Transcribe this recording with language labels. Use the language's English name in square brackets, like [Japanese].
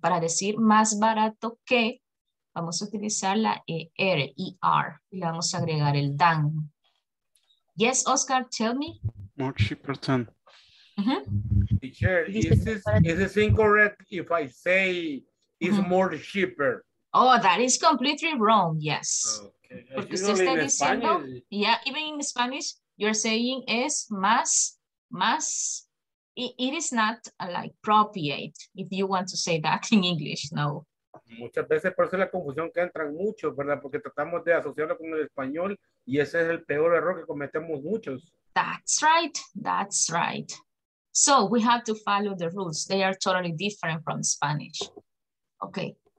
[Spanish] Para decir más barato que, vamos a utilizar la ER, E-R, y le vamos a agregar el dan. [English] Yes, Oscar, tell me. More cheaper than. Mm-hmm. Teacher, is this incorrect if I say it's mm-hmm. more cheaper? Oh, that is completely wrong, yes. [Spanish] Okay. Porque usted está diciendo, [English] yeah, even in Spanish, you're saying [Spanish] es más, [English] it is not like appropriate if you want to say that in English, no. [Spanish] Muchas veces, por eso es la confusión que entran muchos, ¿verdad? Porque tratamos de asociarlo con el español y ese es el peor error que cometemos muchos. [English] That's right, that's right. So we have to follow the rules. They are totally different from Spanish. Okay.